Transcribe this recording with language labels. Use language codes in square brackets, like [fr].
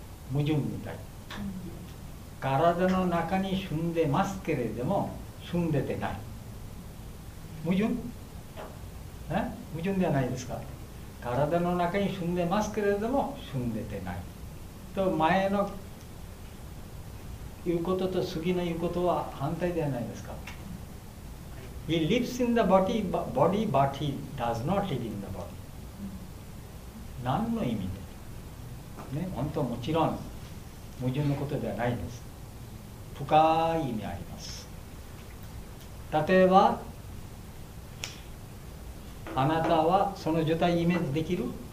[ja] むじゅんみたい。体の中に住んでますけれども、住んでてない。むじゅん？ね、矛盾ではないですか。体の中に住んでますけれども住んでてないと、前の言うことと次の言うことは反対ではないですか。 [en] He lives in the body, body but he does not live in the body。 [ja] 何の意味で、ね、本当もちろん矛盾のことではないです。深い意味あります。例えばあなたはその状態をイメージできる？